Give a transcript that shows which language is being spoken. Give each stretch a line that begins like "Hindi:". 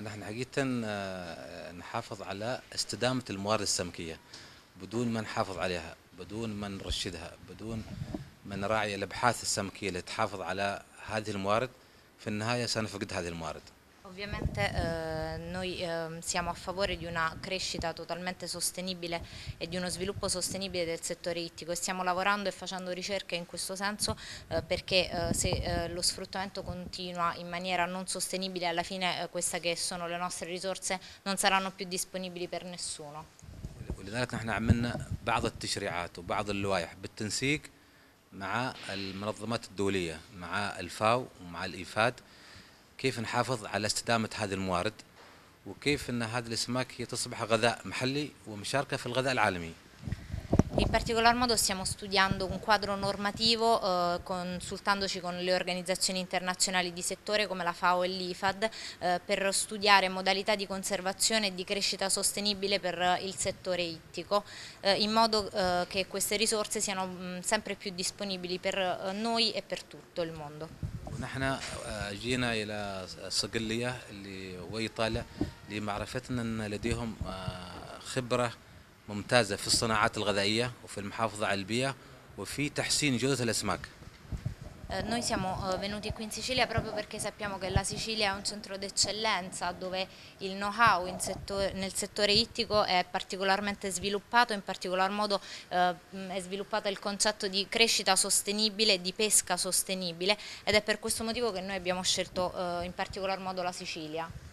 Arabic: نحن حقيقة نحافظ على استدامة الموارد السمكية بدون ما نحافظ عليها، بدون ما نرشدها، بدون ما نراعي الأبحاث السمكية اللي تحافظ على هذه الموارد، في النهاية سنفقد هذه الموارد.
Italian: Ovviamente noi siamo a favore di una crescita totalmente sostenibile e di uno sviluppo sostenibile del settore ittico e stiamo lavorando e facendo ricerche in questo senso perché se lo sfruttamento continua in maniera non sostenibile, alla fine queste che sono le nostre risorse non saranno più disponibili per nessuno.
Arabic: ولذلك نحن عملنا بعض التشريعات وبعض اللوائح بالتنسيق مع المنظمات الدولية، مع الفاو ومع الإيفاد، كيف نحافظ على استدامة هذه الموارد، وكيف أن هذه الأسماك هي تصبح غذاء محلي ومشاركة في الغذاء العالمي.
Italian: In particolar modo stiamo studiando un quadro normativo, consultandoci con le organizzazioni internazionali di settore come la FAO e l'IFAD, per studiare modalità di conservazione e di crescita sostenibile per il settore ittico, in modo, che queste risorse siano, sempre più disponibili per, noi e per tutto il mondo.
Arabic: نحن جينا إلى صقلية وإيطاليا لمعرفتنا أن لديهم خبرة ممتازة في الصناعات الغذائية وفي المحافظة على البيئة وفي تحسين جودة الأسماك.
Italian: Noi siamo venuti qui in Sicilia proprio perché sappiamo che la Sicilia è un centro d'eccellenza dove il know-how nel settore ittico è particolarmente sviluppato, in particolar modo è sviluppato il concetto di crescita sostenibile, di pesca sostenibile, ed è per questo motivo che noi abbiamo scelto in particolar modo la Sicilia.